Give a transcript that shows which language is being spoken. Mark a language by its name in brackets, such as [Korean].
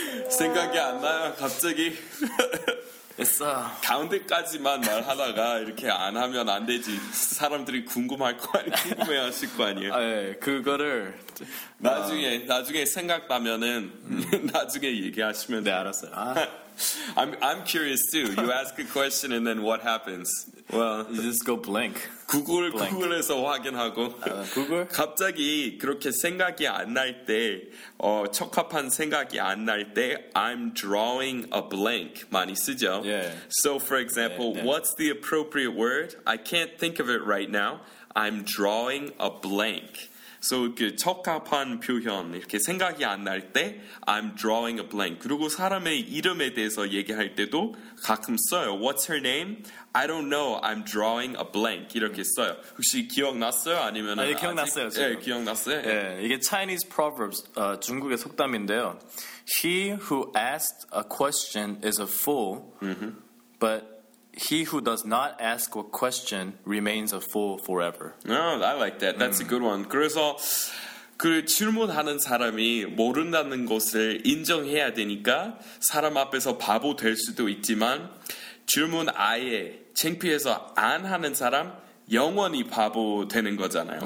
[Korean] 생각이 안 나요 갑자기 가운데까지만 말하다가 이렇게 안 하면 안 되지 사람들이 궁금할 거 아니 궁금해하실 거 아니에요? 아, 예. 그거를 나중에 생각나면은 나중에 얘기하시면 돼 네, 알았어요. 아. [English] I'm curious too. You ask a question and then what happens? Well, you just go blank. [Korean] 구글에서 확인하고. 구글? 갑자기 그렇게 생각이 안 날 때, 적합한 생각이 안 날 때, [English] I'm drawing a blank [Korean] 많이 쓰죠. [English] Yeah. So for example, yeah, yeah. What's the appropriate word? I can't think of it right now. I'm drawing a blank. So [Korean] 이렇게 적합한 표현 이렇게 생각이 안 날 때 [English] I'm drawing a blank. [Korean] 그리고 사람의 이름에 대해서 얘기할 때도 가끔 써요. [English] What's her name? I don't know. I'm drawing a blank. [Korean] 이렇게 써요. 혹시 기억났어요? 아니면 아직 기억났어요. 지금. 예, 기억났어요. 예. 예, 이게 [English] Chinese proverbs [Korean] 중국의 속담인데요. [English] He who asks a question is a fool, but He who does not ask a question remains a fool forever. Oh, I like that. That's a good one. [Korean] 그래서 그 질문하는 사람이 모른다는 것을 인정해야 되니까 사람 앞에서 바보 될 수도 있지만 질문 아예 창피해서 안 하는 사람 영원히 바보 되는 거잖아요.